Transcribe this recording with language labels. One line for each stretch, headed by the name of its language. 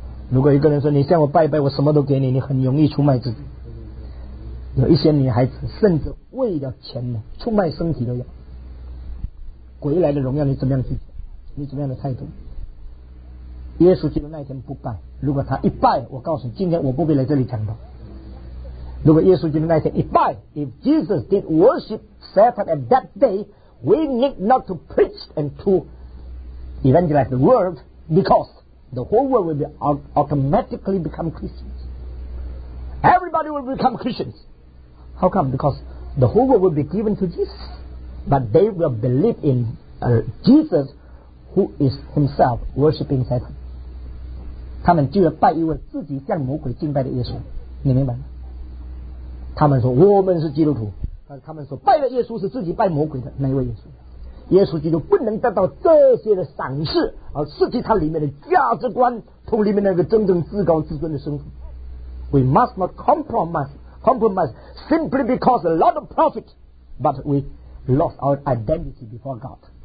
Chinese: 如果一个人说你向我拜拜，我什么都给你，你很容易出卖自己。有一些女孩子甚至为了钱呢，出卖身体都要。鬼来的荣耀你怎么样去，你怎么样的态度？耶稣基督那天不拜，如果他一拜，我告诉你，今天我不必来这里讲的。如果耶稣基督那天一拜，
English: If Jesus did worship Satan at that day, we need not to preach and to evangelize the world, because the whole world will be automatically become Christians. Everybody will become Christians. How come? Because the whole world will be given to Jesus, but they will believe in Jesus who is himself worshiping Satan.
Chinese: 他们就要拜一位自己向魔鬼敬拜的耶稣，你明白吗？他们说我们是基督徒，但是他们说拜的耶稣是自己拜魔鬼的那一位耶稣。耶稣基督不能得到这些的赏识，而失去他里面的价值观，从里面那个真正至高至尊的身份。
English: We must not compromise simply because a lot of profit, but we lost our identity before God.